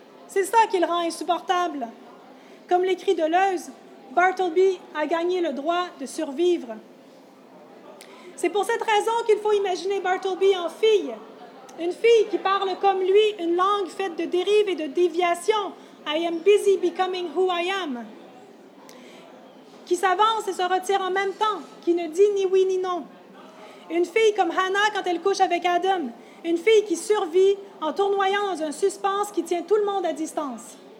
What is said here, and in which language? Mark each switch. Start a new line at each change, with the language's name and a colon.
French: C'est ça qui le rend insupportable. Comme l'écrit Deleuze, Bartleby a gagné le droit de survivre. C'est pour cette raison qu'il faut imaginer Bartleby en fille, une fille qui parle comme lui une langue faite de dérives et de déviations.
English: I am busy becoming who I am.
French: Qui s'avance et se retire en même temps, qui ne dit ni oui ni non. Une fille comme Hannah quand elle couche avec Adam, une fille qui survit en tournoyant dans un suspense qui tient tout le monde à distance.